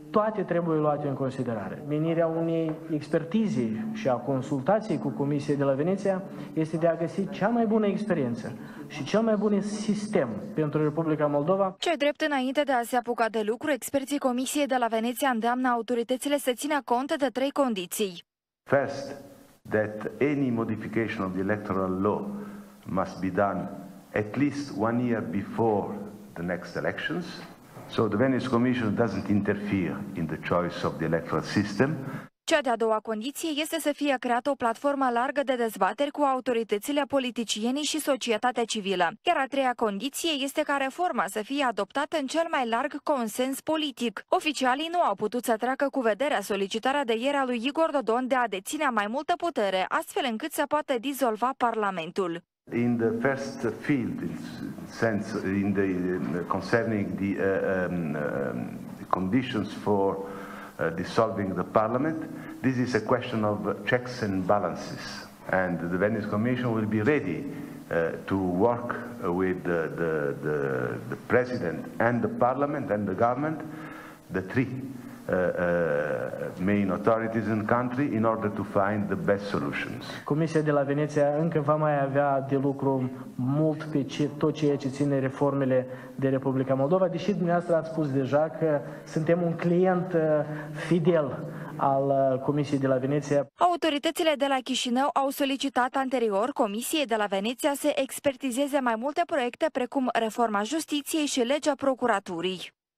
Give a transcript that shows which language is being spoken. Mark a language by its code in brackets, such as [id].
[ro] Toate trebuie luate în considerare. Menirea unei expertize și a consultației cu Comisia de la Veneția este de a găsi cea mai bună experiență și cel mai bun sistem pentru Republica Moldova. Ce drept înainte de a se apuca de lucru, experții Comisiei de la Veneția îndeamnă autoritățile să țină cont de trei condiții. [en] First, that any modification of the electoral law must be done at least one year before the next elections, so the Venice Commission doesn't interfere in the choice of the electoral system. [ro] Cea de-a doua condiție este să fie creată o platformă largă de dezbateri cu autoritățile, politicienii și societatea civilă. Iar a treia condiție este ca reforma să fie adoptată în cel mai larg consens politic. Oficialii nu au putut să treacă cu vederea solicitarea de ieri a lui Igor Dodon de a deține mai multă putere, astfel încât să poată dizolva Parlamentul. [en] In the first field, in sense, in the concerning the conditions for dissolving the parliament, this is a question of checks and balances, and the Venice Commission will be ready to work with the president and the parliament and the government, the three main authorities in country, in order to find the best solutions. [ro] Comisia de la Veneția încă va mai avea de lucru mult pe tot ceea ce ține reformele de Republica Moldova, deși dumneavoastră ați spus deja că suntem un client fidel al Comisiei de la Veneția. Autoritățile de la Chișinău au solicitat anterior Comisiei de la Veneția să expertizeze mai multe proiecte precum reforma justiției și legea procuraturii.